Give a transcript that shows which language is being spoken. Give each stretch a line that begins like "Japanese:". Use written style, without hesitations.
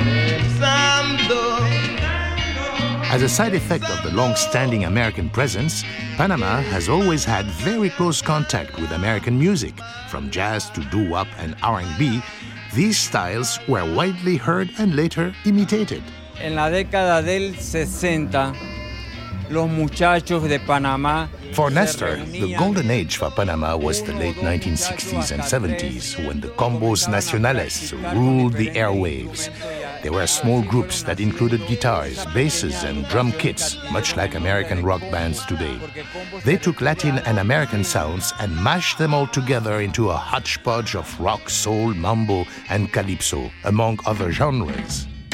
English: pensando. As a side effect of the long-standing American presence, Panama has always had very close contact with American music, from jazz to doo-wop and R&B. These styles were widely heard and later imitated.
Spanish: En la década del 60, los muchachos de Panamá.
English: For Néstor, the golden age for Panama was the late 1960s and 70s, when the Combos Nacionales ruled the airwaves. They were small groups that included guitars, basses, and drum kits, much like American rock bands today. They took Latin and American sounds and mashed them all together into a hodgepodge of rock, soul, mambo, and calypso, among other genres.